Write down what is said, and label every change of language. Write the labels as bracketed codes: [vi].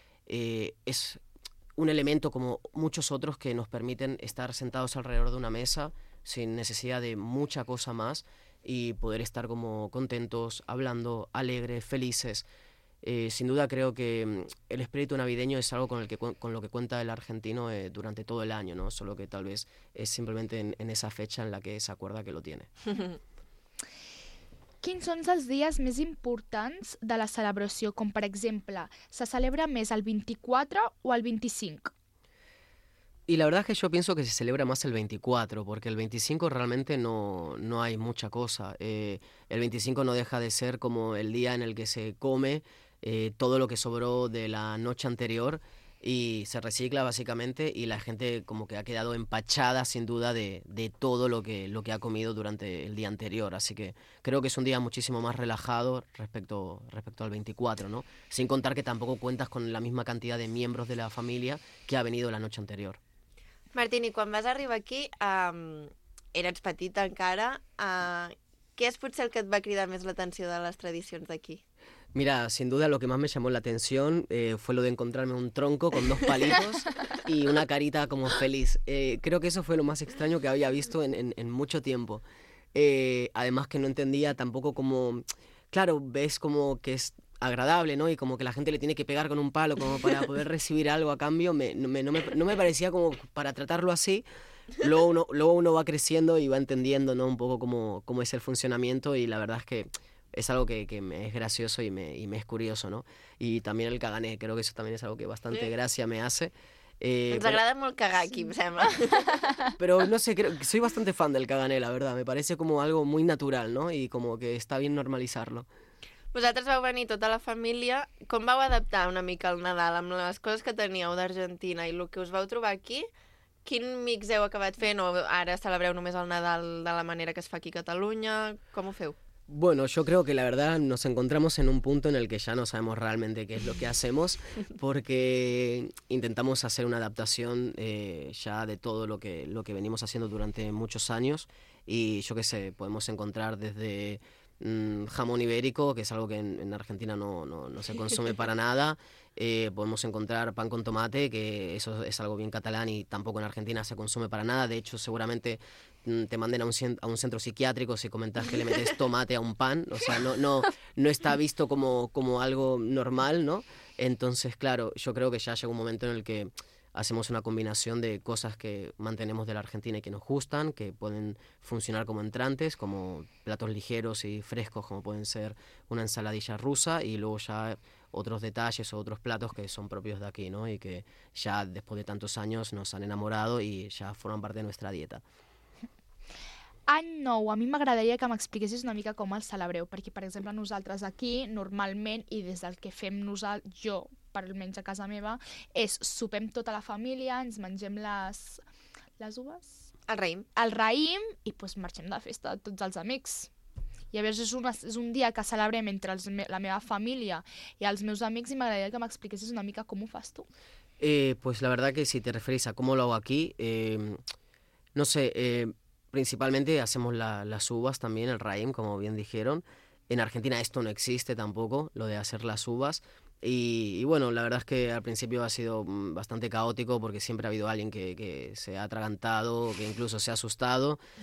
[es] Es un elemento como muchos otros que nos permiten estar sentados alrededor de una mesa sin necesidad de mucha cosa más y poder estar como contentos, hablando, alegres, felices. Sin duda creo que el espíritu navideño es algo con lo que cuenta el argentino durante todo el año, ¿no? Solo que tal vez es simplemente en esa fecha en la que se acuerda que lo tiene. [ca] Quins són els dies més importants de la celebració? Com, per exemple, se celebra més el 24 o el 25? [es] Y la verdad es que yo pienso que se celebra más el 24, porque el 25 realmente no hay mucha cosa. El 25 no deja de ser como el día en el que se come todo lo que sobró de la noche anterior y se recicla básicamente y la gente como que ha quedado empachada sin duda de todo lo que ha comido durante el día anterior. Así que creo que es un día muchísimo más relajado respecto al 24, ¿no? Sin contar que tampoco cuentas con la misma cantidad de miembros de la familia que ha venido la noche anterior. [ca] Martín, i quan vas arribar aquí, eres petit encara, què és potser el que et va cridar més l'atenció de les tradicions d'aquí? [es] Mira, sin duda lo que más me llamó la atención fue lo de encontrarme un tronco con dos palitos y una carita como feliz. Creo que eso fue lo más extraño que había visto en mucho tiempo. Además que no entendía tampoco como... Claro, ves como que es agradable, ¿no? Y como que la gente le tiene que pegar con un palo como para poder recibir algo a cambio. No me parecía como para tratarlo así. Luego uno va creciendo y va entendiendo, ¿no? Un poco cómo es el funcionamiento y la verdad es que... Es algo que me es gracioso y me es curioso, ¿no? Y también el cagané, creo que eso también es algo que bastante gracia me hace. Nos agrada mucho cagar aquí, [ca] me sembla. [es] Pero no sé, creo, soy bastante fan del cagané, la verdad. Me parece como algo muy natural, ¿no? Y como que está bien normalizarlo. [ca] Vosaltres vau venir tota la família. Com vau adaptar una mica el Nadal amb les coses que teníeu d'Argentina i el que us vau trobar aquí? Quin mix heu acabat fent? O ara celebreu només el Nadal de la manera que es fa aquí a Catalunya? Com ho feu? [es] Bueno, yo creo que la verdad nos encontramos en un punto en el que ya no sabemos realmente qué es lo que hacemos, porque intentamos hacer una adaptación ya de todo lo que venimos haciendo durante muchos años. Y yo qué sé, podemos encontrar desde jamón ibérico, que es algo que en Argentina no se consume para nada. Podemos encontrar pan con tomate, que eso es algo bien catalán y tampoco en Argentina se consume para nada. De hecho, seguramente te manden a un centro psiquiátrico si comentas que le metes tomate a un pan. O sea, no está visto como algo normal, ¿no? Entonces, claro, yo creo que ya llega un momento en el que hacemos una combinación de cosas que mantenemos de la Argentina y que nos gustan, que pueden funcionar como entrantes, como platos ligeros y frescos, como pueden ser una ensaladilla rusa, y luego ya otros detalles o otros platos que son propios de aquí, ¿no? Y que ya después de tantos años nos han enamorado y ya forman parte de nuestra dieta. [ca] Any nou, a mi m'agradaria que m'expliquessis una mica com el celebreu, perquè, per exemple, nosaltres aquí, normalment, i des del que fem nosaltres, jo, per almenys a casa meva, és sopem tota la família, ens mengem les uves? El raïm. El raïm, i pues, marxem de festa tots els amics. I llavors és un dia que celebrem entre la meva família i els meus amics, i m'agradaria que m'expliquessis una mica com ho fas tu. [es] Pues la verdad que si te referís a cómo lo hago aquí, no sé, principalmente hacemos las uvas también, el raïm, como bien dijeron. En Argentina esto no existe tampoco, lo de hacer las uvas. Y bueno, la verdad es que al principio ha sido bastante caótico porque siempre ha habido alguien que se ha atragantado, que incluso se ha asustado.